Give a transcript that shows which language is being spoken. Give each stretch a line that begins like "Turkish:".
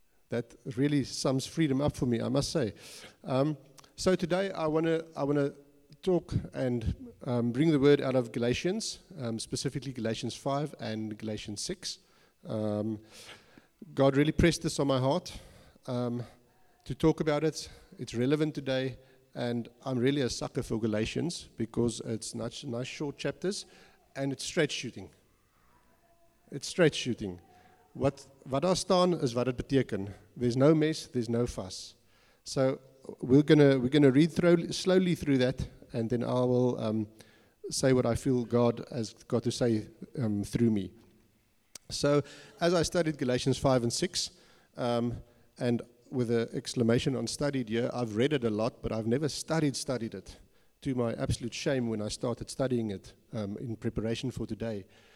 English: That really sums freedom up for me, I must say. So today I wanna talk and bring the word out of Galatians, specifically Galatians 5 and Galatians 6. God really pressed this on my heart to talk about it. It's relevant today, and I'm really a sucker for Galatians because it's nice short chapters, and it's straight shooting. It's straight shooting.
Afrikaans: Wat daar staan is wat het beteken.
English: There's no mess, there's no fuss. So we're gonna read slowly through that, and then I will say what I feel God has got to say through me. So as I studied Galatians 5 and 6, and with an exclamation on studied, yeah, I've read it a lot, but I've never studied it, to my absolute shame when I started studying it in preparation for today.